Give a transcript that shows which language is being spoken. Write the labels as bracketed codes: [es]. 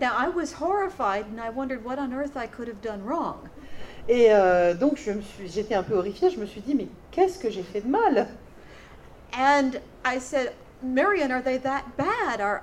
[en] Now I was horrified and I wondered what on earth I could have done wrong. [fr] Et donc j'étais un peu horrifiée, je me suis dit « mais qu'est-ce que j'ai fait de mal ?» [en] And I said, Marion, are they that bad?